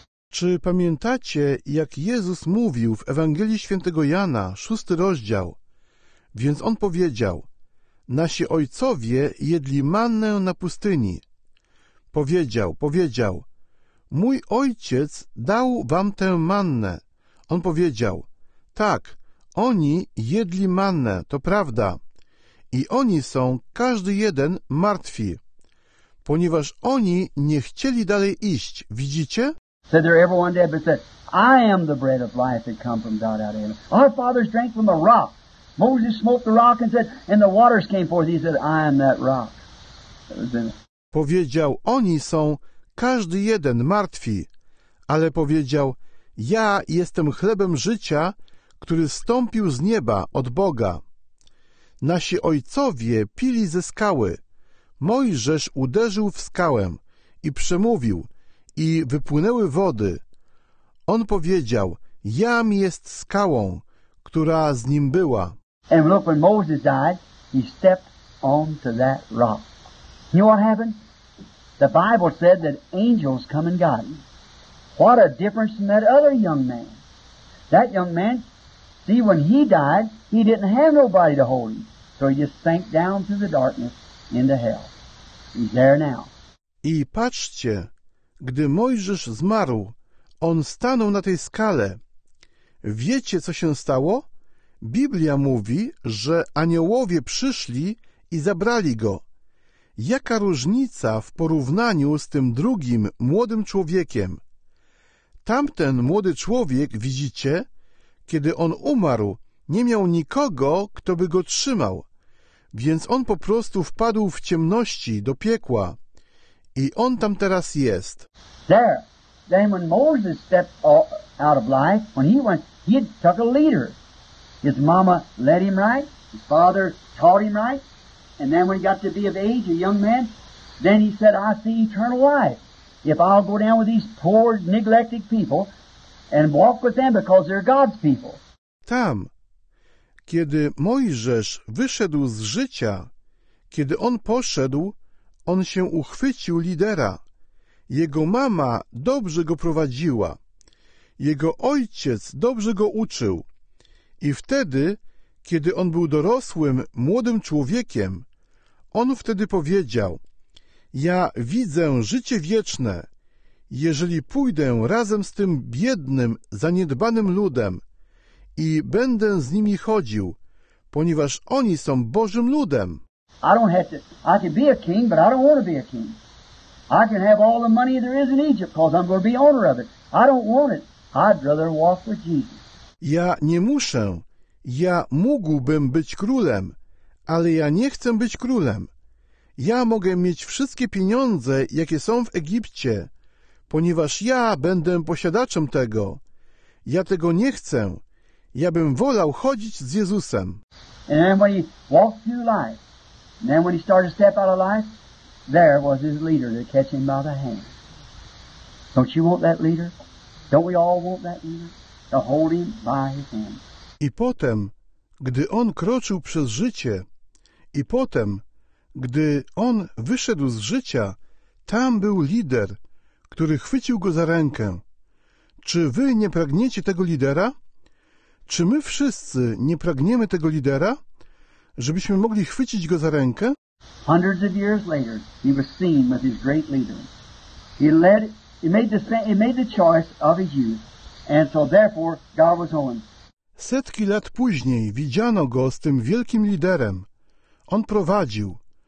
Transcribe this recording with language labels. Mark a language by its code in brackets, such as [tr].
[pl] Czy pamiętacie, jak Jezus mówił w Ewangelii Świętego Jana, 6 rozdział? Więc On powiedział, nasi ojcowie jedli mannę na pustyni. Powiedział, mój ojciec dał wam tę mannę. On powiedział, tak, oni jedli mannę, to prawda. I oni są, każdy jeden, martwi, ponieważ oni nie chcieli dalej iść, widzicie? [en] Said they're everyone dead, but said, I am the bread of life that come from God out of heaven. Our fathers drank from the rock. Moses smote the rock and said, and the waters came forth. He said, I am that rock. [pl] Powiedział, oni są, każdy jeden, martwi. Ale powiedział, ja jestem chlebem życia, który stąpił z nieba, od Boga. Nasi ojcowie pili ze skały. Mojżesz uderzył w skałę i przemówił, i wypłynęły wody. On powiedział, jam jest skałą, która z nim była. [en] And look, when Moses died, he stepped onto that rock. You know what happened? The Bible said that angels come and got him. What a difference from that other young man. That young man, see, when he died, he didn't have nobody to hold him. So he just sank down through the darkness into hell. He's there now. [pl] I patrzcie, gdy Mojżesz zmarł, on stanął na tej skale. Wiecie, co się stało? Biblia mówi, że aniołowie przyszli i zabrali go. Jaka różnica w porównaniu z tym drugim młodym człowiekiem? Tamten młody człowiek, widzicie, kiedy on umarł, nie miał nikogo, kto by go trzymał, więc on po prostu wpadł w ciemności, do piekła. I on tam teraz jest. [en] There. Then when Moses stepped out of life, when he went, he took a leader. His mama led him right. His father taught him right. And then when he got to be of age, a young man, then he said, I see eternal life. If I'll go down with these poor, neglected people and walk with them because they're God's people. [pl] Tam, kiedy Mojżesz wyszedł z życia, kiedy on poszedł, on się uchwycił lidera. Jego mama dobrze go prowadziła. Jego ojciec dobrze go uczył. I wtedy, kiedy on był dorosłym, młodym człowiekiem, on wtedy powiedział, ja widzę życie wieczne, jeżeli pójdę razem z tym biednym, zaniedbanym ludem i będę z nimi chodził, ponieważ oni są Bożym ludem. [en] I don't have to. I can be a king, but I don't want to be a king. I can have all the money there is in Egypt because I'm going to be owner of it. I don't want it. I'd rather walk with Jesus. [pl] Ja nie muszę. Ja mógłbym być królem, ale ja nie chcę być królem. Ja mogę mieć wszystkie pieniądze, jakie są w Egipcie, ponieważ ja będę posiadaczem tego. Ja tego nie chcę. Ja bym wolał chodzić z Jezusem. [en] And then when you walk through life, and then when he started to step out of life, there was his leader to catch him by the hand. Don't you want that leader? Don't we all want that leader? To hold him by his hand. [pl] I potem, gdy on kroczył przez życie, i potem, gdy on wyszedł z życia, tam był lider, który chwycił go za rękę. Czy wy nie pragniecie tego lidera? Czy my wszyscy nie pragniemy tego lidera? Żebyśmy mogli chwycić go za rękę? [en] Hundreds of years later, he was seen with his great leader. He made the choice of his youth, and so therefore God was on. [pl] Setki lat później widziano go z tym wielkim liderem. On prowadził.